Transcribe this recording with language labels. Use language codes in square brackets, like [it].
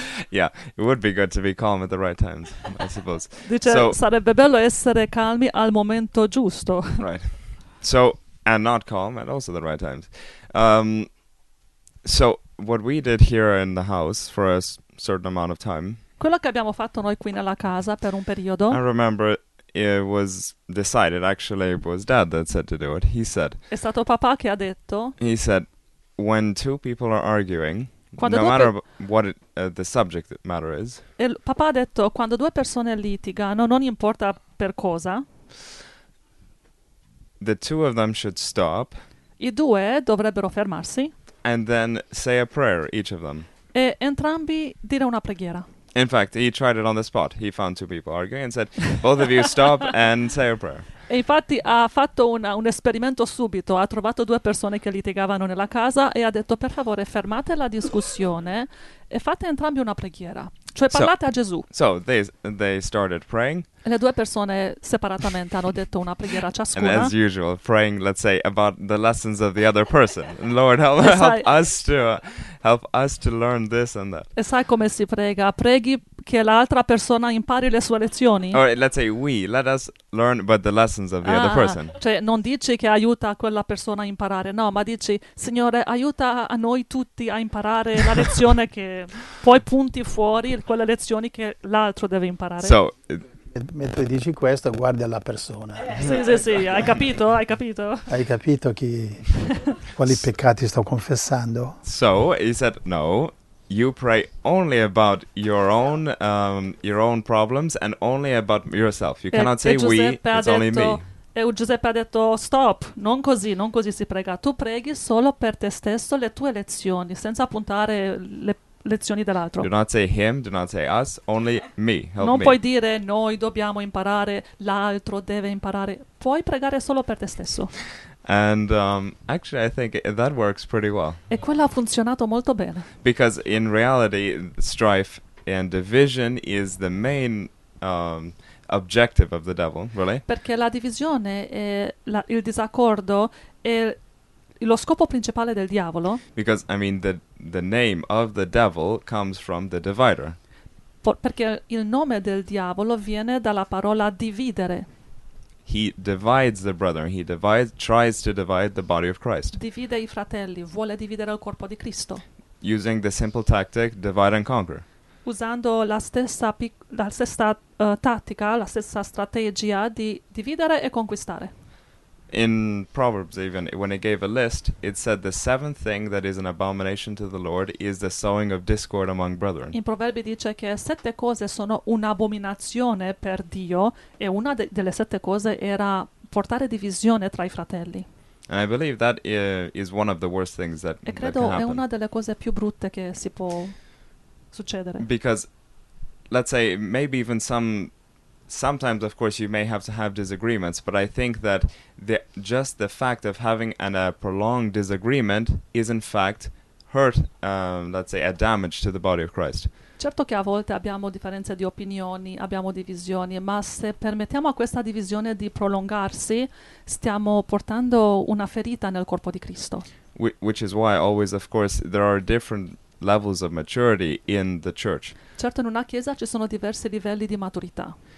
[en] Yeah, it would be good to be calm at the right times, I suppose. [it] Dice, so, sarebbe bello essere calmi al momento giusto. [en] Right. So, and not calm at also the right times. So, what we did here in the house for a certain amount of time. [it] Quello che abbiamo fatto noi qui nella casa per un periodo. [en] I remember it was decided, actually it was Dad that said to do it. He said. [it] È stato papà che ha detto. [en] He said, when two people are arguing, [it] quando [en] no matter what it, the subject matter is. [it] Il papà ha detto, quando due persone litigano, non importa per cosa. [en] The two of them should stop. [it] I due dovrebbero fermarsi. [en] And then say a prayer, each of them. [it] E entrambi dire una preghiera. [en] In fact, he tried it on the spot. He found two people arguing and said, both of you stop and say a prayer. [it] E infatti ha fatto un esperimento subito. Ha trovato due persone che litigavano nella casa e ha detto, per favore, fermate la discussione e fate entrambi una preghiera. Cioè, parlate [en] so, [it] a Gesù. [en] So, they started praying. [it] Le due persone separatamente hanno detto una preghiera ciascuna. [en] And as usual, praying, let's say, about the lessons of the other person. Lord, help us to learn this and that. [it] E sai come si prega? Preghi che l'altra persona impari le sue lezioni. [en] Or let's say we, let us learn about the lessons of the other person. [it] Cioè, non dici che aiuta quella persona a imparare, no, ma dici, Signore, aiuta a noi tutti a imparare la lezione che poi punti fuori quelle lezioni che l'altro deve imparare. [en] So, [it] mentre dici questo, guardi alla persona. Sì, hai capito? Hai capito? Hai capito chi, quali peccati sto confessando? [en] So, he said, no, you pray only about your own problems and only about yourself. You cannot say we, it's only me. [it] E Giuseppe ha detto, stop, non così si prega. Tu preghi solo per te stesso le tue lezioni, senza puntare le lezioni dell'altro. [en] Do not say him, do not say us, only me. Help [it] non [en] me. [it] Puoi dire noi dobbiamo imparare, l'altro deve imparare. Puoi pregare solo per te stesso. [en] And actually I think that works pretty well. [it] E quello ha funzionato molto bene. [en] Because in reality strife and division is the main objective of the devil, really. [it] Perché la divisione e il disaccordo è lo scopo principale del diavolo. [en] Because I mean the name of the devil comes from the divider. [it] Perché il nome del diavolo viene dalla parola dividere. [en] He divides the brethren. He divides, tries to divide the body of Christ. [it] Divide i fratelli, vuole dividere il corpo di Cristo. [en] Using the simple tactic, divide and conquer. [it] Usando la stessa tattica, la stessa strategia di dividere e conquistare. [en] In Proverbs even, when it gave a list, it said the seventh thing that is an abomination to the Lord is the sowing of discord among brethren. [it] In Proverbi dice che sette cose sono un'abominazione per Dio e una delle sette cose era portare divisione tra i fratelli. [en] And I believe that is one of the worst things that can happen. [it] E credo è una delle cose più brutte che si può succedere. [en] Because, let's say, maybe even some... Sometimes, of course, you may have to have disagreements, but I think that just the fact of having a prolonged disagreement is, in fact, hurt, let's say, a damage to the body of Christ. [it] Certo che a volte abbiamo differenze di opinioni, abbiamo divisioni, ma se permettiamo a questa divisione di prolungarsi, stiamo portando una ferita nel corpo di Cristo. [en] Which is why, always, of course, there are different levels of maturity in the church. [it] Certo, in una chiesa ci sono diversi livelli di maturità.